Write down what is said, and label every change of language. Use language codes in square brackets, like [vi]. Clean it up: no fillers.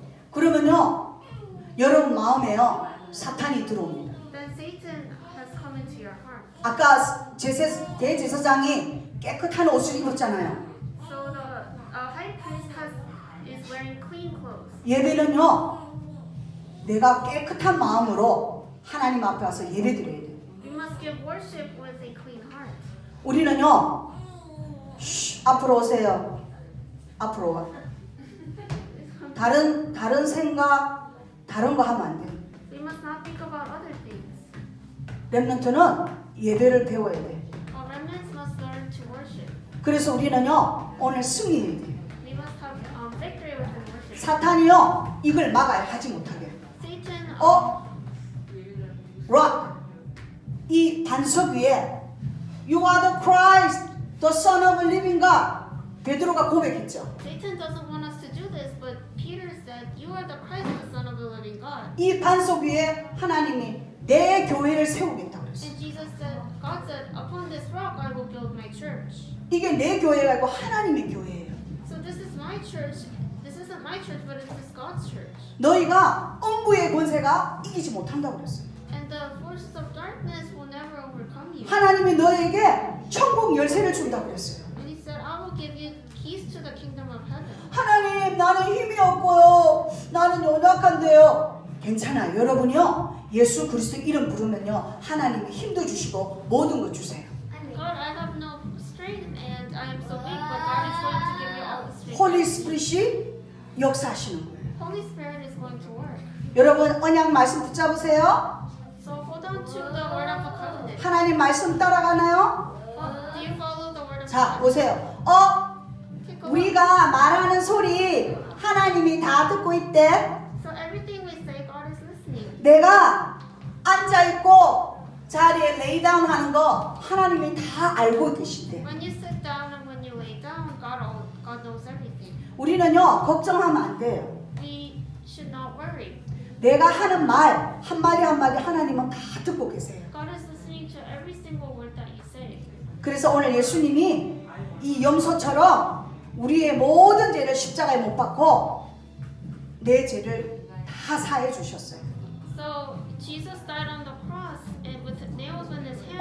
[ko] 그러면요 여러분 마음에요 사탄이 들어옵니다. [en] Then Satan has come into your heart. [ko] 아까 대제사장이 깨끗한 옷을 입었잖아요. [en] So the high priest is wearing clean clothes. [ko] 예배는요 내가 깨끗한 마음으로 하나님 앞에 와서 예배 드려야 돼요. [en] You must give worship with a clean heart. [ko] 우리는요 쉬, 앞으로 오세요. 앞으로 와. 다른 생각 다른 거 하면 안 돼요. [en] We must not think about other things. [ko] 렘넌트는 예배를 배워야 돼요. [en] Remnants must learn to worship. [ko] 그래서 우리는요 오늘 승리해야 돼요. [en] We must have victory with worship. [ko] 사탄이요 이걸 막아야 하지 못하게. [en] 어, rock. [ko] 이 반석 위에 [en] You are the Christ, the Son of the Living God. [ko] 베드로가 고백했죠. [en] Satan doesn't want us to do this, but Peter said, You are the Christ, the Son of the Living God. [ko] 이 반석 위에 하나님이 내 교회를 세우겠다고 그랬어. [en] And Jesus said, God said, Upon this rock I will build my church. [ko] 이게 내 교회가 아니고 하나님의 교회예요. [en] So this is my church. This isn't my church, but it's God's church. [ko] 너희가 음부의 권세가 이기지 못한다고 그랬어요. [en] And the forces of darkness will never overcome you. [ko] 하나님이 너에게 천국 열쇠를 준다고 그랬어요. [en] And he said, I will give you keys to the kingdom of heaven. [ko] 하나님, 나는 힘이 없고요. 나는 연약한데요. 괜찮아, 여러분이요. 예수 그리스도 이름 부르면요, 하나님이 힘도 주시고 모든 것 주세요. [en] God, I have no strength and I am so weak, but God is going to give you all the strength. [ko] Holy Spirit이 역사하시는 거예요. [en] Holy Spirit is going to work. [ko] 여러분 언약 말씀 붙잡으세요. [en] So hold on to the word of the covenant. [ko] 하나님 말씀 따라가나요? [en] Do you follow the word of? [ko] 자 보세요. 어 우리가 말하는 소리 하나님이 다 듣고 있대. [en] So everything we say, God is listening. [ko] 내가 앉아 있고 자리에 [en] lay down [ko] 하는 거 하나님이 다 알고 계신대. [en] When you sit down and when you lay down, God knows everything. [ko] 우리는요 걱정하면 안 돼요. [en] Should not worry. [ko] 내가 하는 말 한 마디 한 마디 하나님은 다 듣고 계세요. [en] God is listening to every single word that you say. [ko] 그래서 오늘 예수님이 이 염소처럼 우리의 모든 죄를 십자가에 못 박고 내 죄를 다 다 사해 주셨어요. [en] So Jesus died on the cross and with nails in his hands.